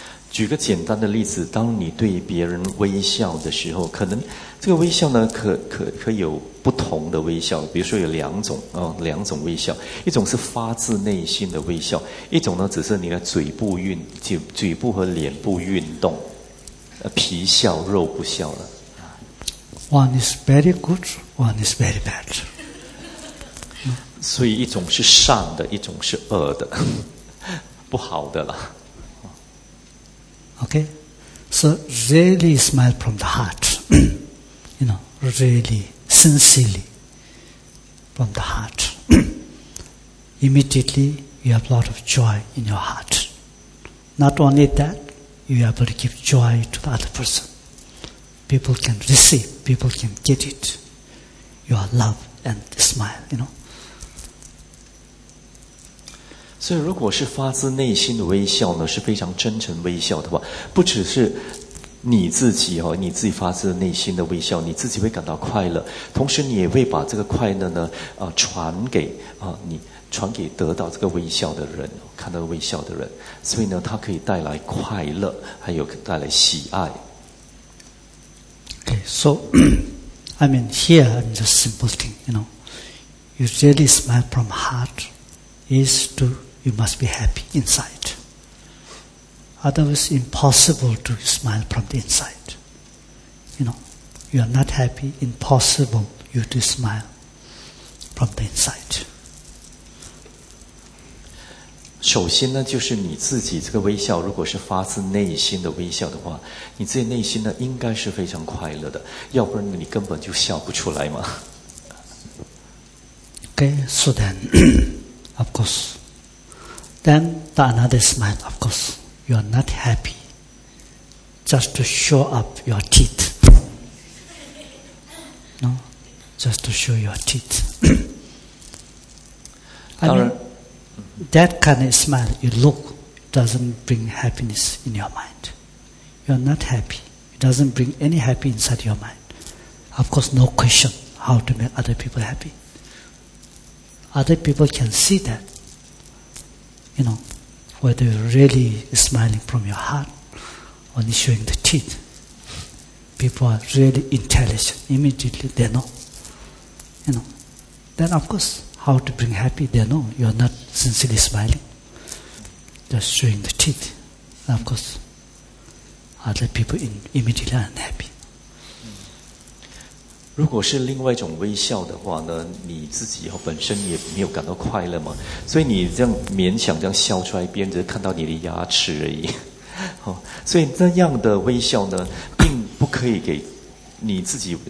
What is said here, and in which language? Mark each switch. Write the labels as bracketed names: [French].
[Chinese] 举个简单的例子，当你对别人微笑的时候，可能这个微笑呢，可有不同的微笑，比如说有两种微笑，一种是发自内心的微笑，一种呢只是你的嘴部和脸部运动，皮笑肉不笑了。 [English] One is very good, one is very bad. [Chinese] 所以一种是善的，一种是恶的，不好的了。 [English] Okay, so really smile from the heart, you know, really sincerely from the heart. Immediately, you have a lot of joy in your heart. Not only that, you are able to give joy to the other person. People can receive, people can get it. Your love and smile, you know. [Chinese] 所以如果是发自内心的微笑呢，是非常真诚微笑的话，不只是你自己哦，你自己发自内心的微笑，你自己会感到快乐，同时你也会把这个快乐呢，传给得到这个微笑的人，看到微笑的人，所以呢，它可以带来快乐，还有带来喜爱。 [English] Okay, so, I mean, here, I'm just simple thing, you know. You really smile from heart is to, you must be happy inside. Otherwise, impossible to smile from the inside. You know, you are not happy, impossible you to smile from the inside. [Chinese] 首先呢，就是你自己这个微笑，如果是发自内心的微笑的话，你自己内心呢应该是非常快乐的，要不然你根本就笑不出来嘛。 [English] Okay, so then, of course, then the another smile, of course, you are not happy just to show up your teeth. No, just to show your teeth. [Chinese] 当然。 [English] That kind of smile you look doesn't bring happiness in your mind. You're not happy. It doesn't bring any happy inside your mind. Of course, no question how to make other people happy. Other people can see that, you know, whether you're really smiling from your heart or showing the teeth. People are really intelligent. Immediately they know. You know. Then of course, how to bring happy? They know you are not sincerely smiling. Just showing the teeth. And of course, other people immediately are unhappy. [Chinese] 如果是另外一种微笑的话呢，你自己本身也没有感到快乐嘛，所以你这样勉强这样笑出来，别人只是看到你的牙齿而已。好，所以那样的微笑呢，并不可以给你自己。